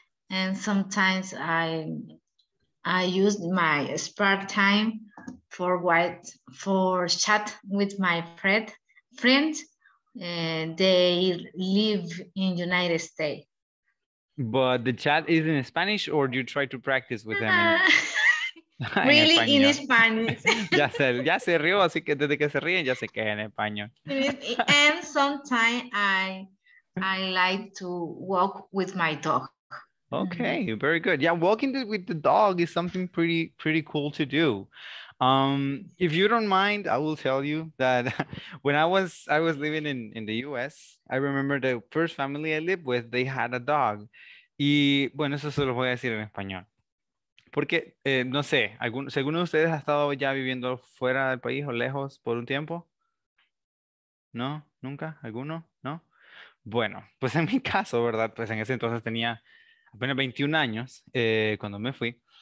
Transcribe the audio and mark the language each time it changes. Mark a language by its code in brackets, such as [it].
[en] And sometimes I use my spare time for chat with my friend, and they live in United States. But the chat is in Spanish, or do you try to practice with them? Really in Spanish. [es] ya se rió, así que desde que se ríen ya se queda en español. [en] And sometimes I like to walk with my dog. Okay, very good. Yeah, walking with the dog is something pretty, pretty cool to do. If you don't mind, I will tell you that when I was living in the US, I remember the first family I lived with, they had a dog. [es] Y bueno, eso se lo voy a decir en español. Porque, no sé, ¿alguno de ustedes ha estado ya viviendo fuera del país o lejos por un tiempo? ¿No? ¿Nunca? ¿Alguno? ¿No? Bueno, pues en mi caso, ¿verdad? Pues en ese entonces tenía apenas 21 años cuando me fui.